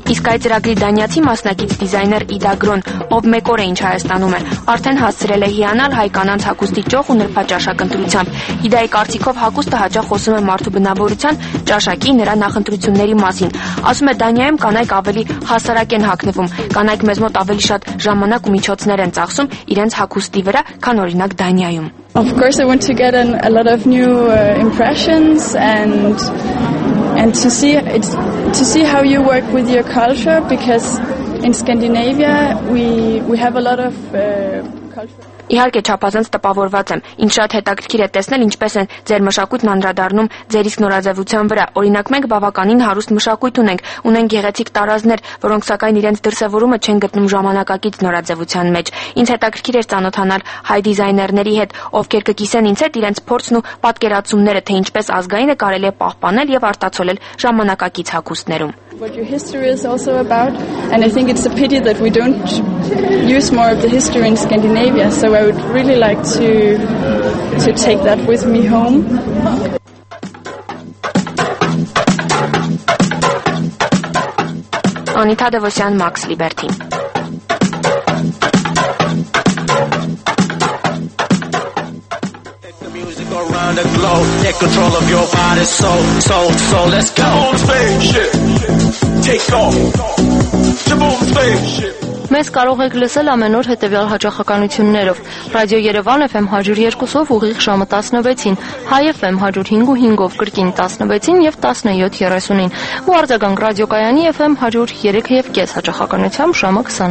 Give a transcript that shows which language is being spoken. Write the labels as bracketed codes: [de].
[hy] Այդ ծրագրի դանյացի մասնակից դիզայներ Իդա Գրոն, ով մեկ օր է ինչ Հայաստանում է, արդեն հասցրել է հիանալ հայկանանց հագուստի ճող ու նրբաճաշակընտրությամբ։ Իդայի կարծիքով հագուստը հաճախ խոսում է մարդու բնավորության, ճաշակի, նրա նախընտրությունների մասին։ Ասում է, դանյայում կանայք ավելի հասարակ են հագնվում, կանայք մեզ մոտ ավելի շատ ժամանակ ու միջոցներ են ծախսում իրենց հագուստի վրա, քան օրինակ դանյայում։ [en] Of course I want to get a lot of new impressions and to see how you work with your culture, because in Scandinavia we have a lot of culture. [hy] Իհարկե չափազանց տպավորված եմ։ Ինչ շատ հետաքրքիր է տեսնել, ինչպես են ձեր մշակույթն անդրադառնում ձեր իսկ նորաձևության վրա։ Օրինակ, մենք բավականին հարուստ մշակույթ ունենք գեղեցիկ տարազներ, որոնք սակայն իրենց դրսևորումը չեն գտնում ժամանակակից նորաձևության մեջ։ Ինձ հետաքրքիր էր ծանոթանալ հայ դիզայներների հետ, ովքեր կկիսեն ինձ հետ իրենց փորձն ու պատկերացումները, թե ինչպես ազգայինը կարելի է պահպանել եւ արտացոլել ժամանակակից հագուստներում։ [en] What your history is also about, and I think it's a pity that we don't use more of the history in Scandinavia, so I would really like to take that with me home. [hy] Անիտա Դևոսյան, Max Liberty. [en] Around the globe, take control of your body, soul, let's go. Come on, spaceship, take off, jump on spaceship. [hy] Մենք կարող եք լսել ամեն օր հետևյալ հաճախականություններով. Ռադիո Երևան FM 102-ով ուղիղ ժամը 16-ին, Հայ FM 105.5-ով կրկին 16-ին եւ 17:30-ին, ու արձագանք ռադիոկայանի FM 103.5 հաճախականությամբ ժամը